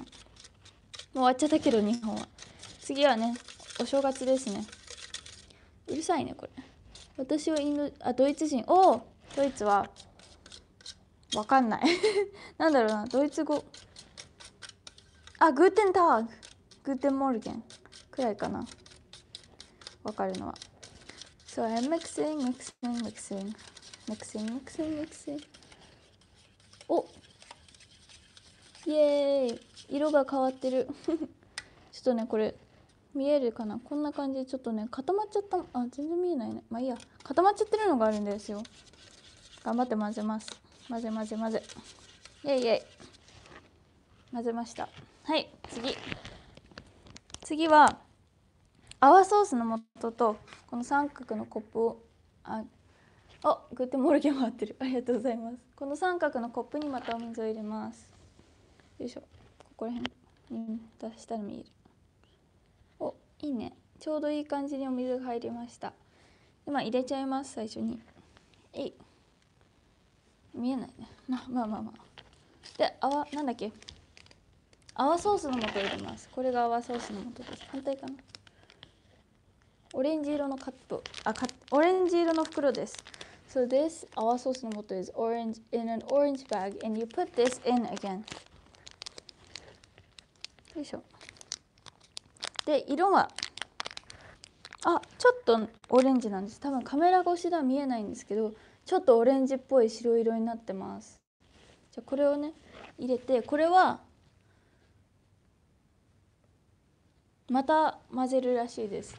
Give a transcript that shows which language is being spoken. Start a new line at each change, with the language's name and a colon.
Japanese: もう終わっちゃったけど日本は、次はねお正月ですね。うるさいねこれ。私はインド、あ、ドイツ人。おお、ドイツはわかんない。なんだろうな、ドイツ語。あ、グーテンタグ、グーテンモルゲンくらいかな、わかるのは。
English: So I'm mixing, mixing, mixing, mixing, mixing, mixing. お、
Japanese: イエーイ、色が変わってる。ちょっとねこれ見えるかな、こんな感じ。ちょっとね固まっちゃった、あ全然見えないね。まあいいや、固まっちゃってるのがあるんですよ。頑張って混ぜます。混ぜ混ぜ混ぜ、イエイイエイ、混ぜました。はい、次は泡ソースの素とこの三角のコップを、あ、グッドモルゲン回ってる、ありがとうございます。この三角のコップにまたお水を入れます。よいしょ、ここら辺に出したら見える。お、いいね、ちょうどいい感じにお水が入りました。今入れちゃいます。最初に、えい、見えないね、まあ、で、泡、なんだっけ、泡ソースの素入れます。これが泡ソースの素です。反対かな、オレンジ色のカップ、あ、オレンジ色の袋です。
English: So this 泡ソースの素 is orange in an orange bag and you put this in again。
Japanese: よいしょ。で、色は、あ、ちょっとオレンジなんです。多分カメラ越しでは見えないんですけど、ちょっとオレンジっぽい白色になってます。じゃあこれをね入れて、これはまた混ぜるらしいです。